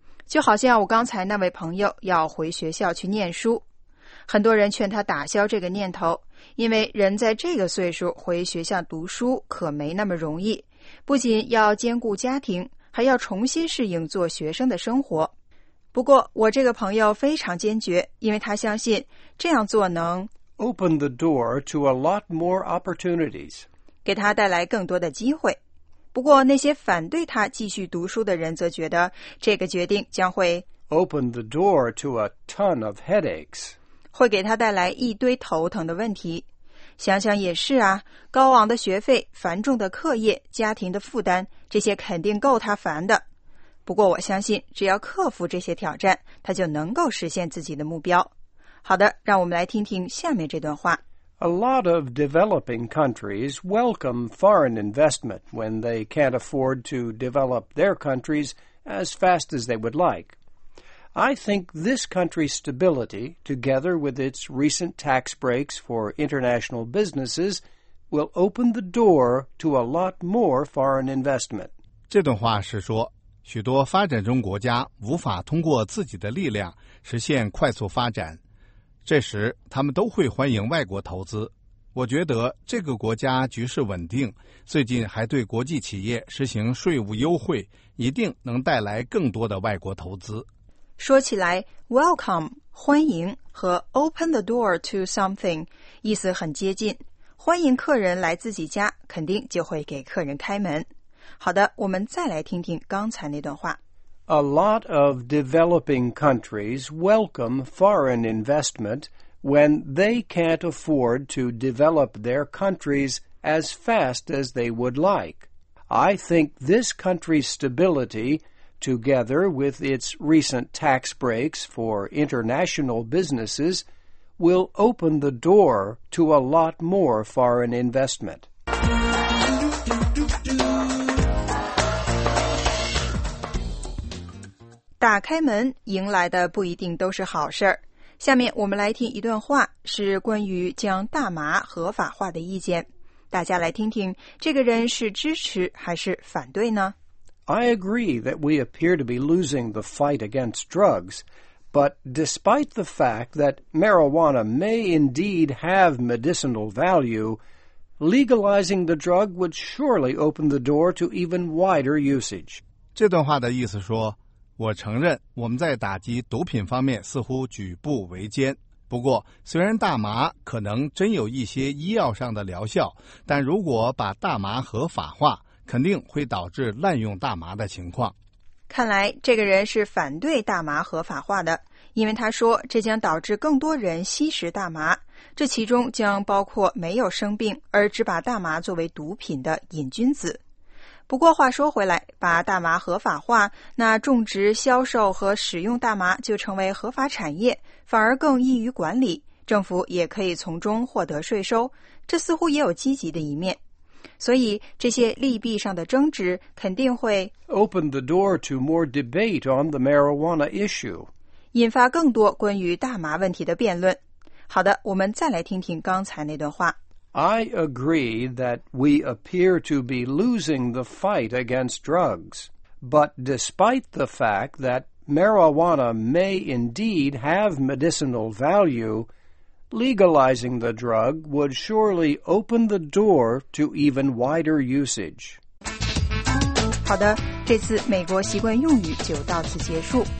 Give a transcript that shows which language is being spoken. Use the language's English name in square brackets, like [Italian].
[Chinese] 就好像我刚才那位朋友要回学校去念书，很多人劝他打消这个念头，因为人在这个岁数回学校读书可没那么容易，不仅要兼顾家庭，还要重新适应做学生的生活。不过，我这个朋友非常坚决，因为他相信这样做能 [English] Open the door to a lot more opportunities. [Chinese] 给他带来更多的机会。不过那些反对他继续读书的人则觉得这个决定将会 [English] Open the door to a ton of headaches. [Chinese] 会给他带来一堆头疼的问题。想想也是啊，高昂的学费、繁重的课业、家庭的负担，这些肯定够他烦的。不过我相信只要克服这些挑战，他就能够实现自己的目标。好的，让我们来听听下面这段话。 [English] A lot of developing countries welcome foreign investment when they can't afford to develop their countries as fast as they would like. I think this country's stability, together with its recent tax breaks for international businesses, will open the door to a lot more foreign investment. [Chinese] 这段话是说，许多发展中国家无法通过自己的力量实现快速发展。这时他们都会欢迎外国投资。我觉得这个国家局势稳定，最近还对国际企业实行税务优惠，一定能带来更多的外国投资。说起来 welcome 欢迎和 [English] open the door to something [Chinese] 意思很接近。欢迎客人来自己家，肯定就会给客人开门。好的，我们再来听听刚才那段话。 [English] A lot of developing countries welcome foreign investment when they can't afford to develop their countries as fast as they would like. I think this country's stability, together with its recent tax breaks for international businesses, will open the door to a lot more foreign investment. [Chinese] 打开门，迎来的不一定都是好事儿。下面我们来听一段话，是关于将大麻合法化的意见。大家来听听，这个人是支持还是反对呢？ [English] I agree that we appear to be losing the fight against drugs, but despite the fact that marijuana may indeed have medicinal value, legalizing the drug would surely open the door to even wider usage. [Chinese] 这段话的意思说，我承认我们在打击毒品方面似乎举步维艰，不过虽然大麻可能真有一些医药上的疗效，但如果把大麻合法化，肯定会导致滥用大麻的情况。看来这个人是反对大麻合法化的，因为他说这将导致更多人吸食大麻，这其中将包括没有生病而只把大麻作为毒品的瘾君子。不过话说回来，把大麻合法化，那种植、销售和使用大麻就成为合法产业，反而更易于管理，政府也可以从中获得税收，这似乎也有积极的一面。所以这些利弊上的争执肯定会 [English] open the door to more debate on the marijuana issue， [Chinese] 引发更多关于大麻问题的辩论。好的，我们再来听听刚才那段话。 [English] I agree that we appear to be losing the fight against drugs, but despite the fact that marijuana may indeed have medicinal value, legalizing the drug would surely open the door to even wider usage. [Chinese] 好的，这次美国习惯用语就到此结束。